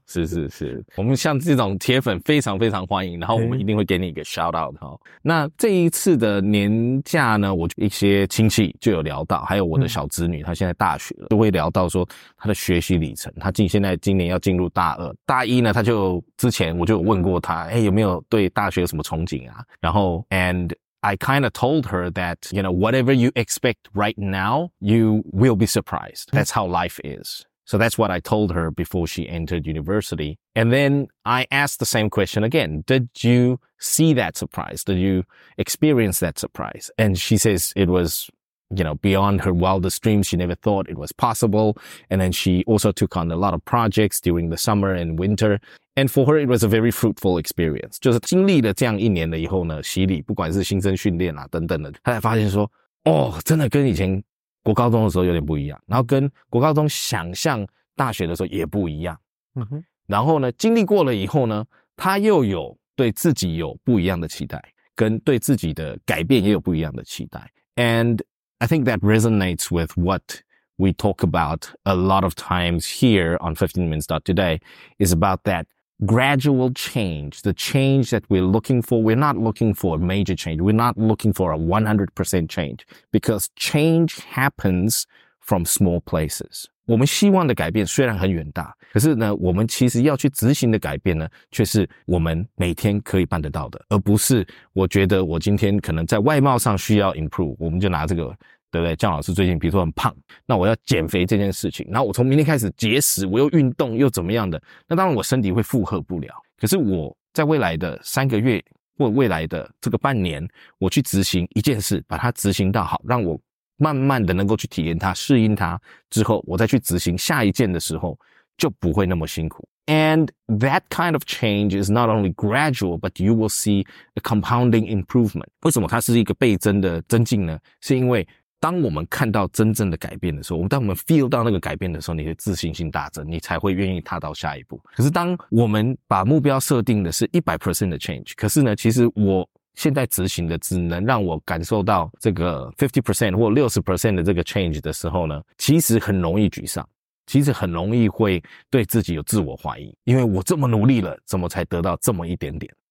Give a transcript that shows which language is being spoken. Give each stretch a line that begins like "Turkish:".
Chinese: 是是是，我们像这种铁粉非常非常欢迎，然后我们一定会给你一个 shout out 哈。那这一次的年假呢，我一些亲戚就有聊到，还有我的小侄女，她现在大学了，都会聊到说她的学习里程，她今年要进入大二，大一呢，她就之前我就有问过她，有没有对大学有什么憧憬啊？
English: 然后 and I kind of told her that you know whatever you expect right now, you will be surprised. That's how life is. So that's what I told her before she entered university. And then I asked the same question again. Did you see that surprise? Did you experience that surprise? And she says it was. You know, beyond her wildest dreams, she never thought it was possible. And then she also took on a lot of projects during the summer and winter. And for her, it was a very fruitful experience.
Chinese: 就是经历了这样一年了以后呢，洗礼，不管是新生训练啊等等的，她才发现说，哦，真的跟以前国高中的时候有点不一样。然后跟国高中想象大学的时候也不一样。嗯、然后呢，经历过了以后呢，她又有对自己有不一样的期待，跟对自己的改变也有不一样的期待。
English: And,I think that resonates with what we talk about a lot of times here on 15minutes.today is about that gradual change, the change that we're looking for. We're not looking for a major change. We're not looking for a 100% change because change happens from small places.
Chinese: 我们希望的改变虽然很远大，可是呢，我们其实要去执行的改变呢，却是我们每天可以办得到的，而不是我觉得我今天可能在外貌上需要 improve， 我们就拿这个，对不对？姜老师最近比如说很胖，那我要减肥这件事情，那我从明天开始节食，我又运动又怎么样的，那当然我身体会负荷不了，可是我在未来的三个月或未来的这个半年，我去执行一件事，把它执行到好，让我慢慢的能够去体验它，适应它之后，我再去执行下一件的时候，就不会那么辛苦。
English: And that kind of change is not only gradual, but you will see a compounding improvement.
Chinese: 为什么它是一个倍增的增进呢？是因为当我们看到真正的改变的时候，当我们 feel 到那个改变的时候，你的自信心大增，你才会愿意踏到下一步。可是当我们把目标设定的是 100% 的 change， 可是呢，其实我现在执行的只能让我感受到这个 50% 或 60% 的这个 change 的时候呢，其实很容易沮丧，其实很容易会对自己有自我怀疑，因为我这么努力了，怎么才得到这么一点点？